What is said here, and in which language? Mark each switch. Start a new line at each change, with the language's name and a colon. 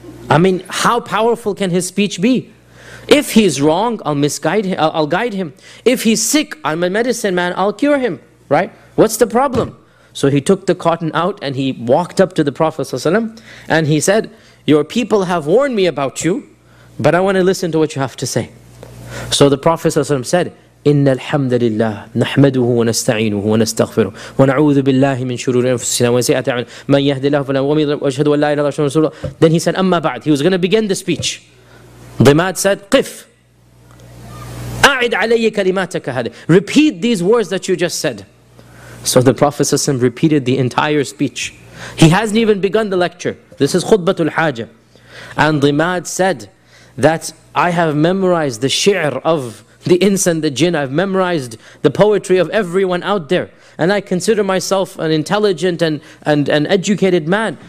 English: I mean, how powerful can his speech be? If he's wrong, I'll misguide him, I'll guide him. If he's sick, I'm a medicine man, I'll cure him, right? What's the problem? So he took the cotton out and he walked up to the Prophet ﷺ and he said, your people have warned me about you, but I want to listen to what you have to say. So the Prophet ﷺ said,
Arabic: إِنَّ الْحَمْدَ لِلَّهِ نَحْمَدُهُ وَنَسْتَعِينُهُ وَنَسْتَغْفِرُهُ وَنَعُوذُ بِاللَّهِ مِنْ شُرُورِ أَنفُسِنَا وَسَيِّئَاتِ أَعْمَالِنَا مَنْ يَهْدِ اللَّهُ فَلَا مُضِلَّ لَهُ وَأَشْهَدُ أَنْ لَا إِلَهَ إِلَّا اللَّهُ وَحْدَهُ لَا شَرِيكَ لَهُ.
English: Then he said,
Arabic: أَمَّا بَعْدُ.
English: He was going to begin the speech.
Arabic: Dhimad said, قِفْ أَعِدْ عَلَيَّ كَلِمَاتَكَ هَذِهِ.
English: Repeat these words that you just said. So the Prophet ﷺ repeated the entire speech. He hasn't even begun the lecture. This is Khutbatul Hajah. And Dhimad said that I have memorized the shi'r of the ins and the jinn. I've memorized the poetry of everyone out there. And I consider myself an intelligent and an educated man.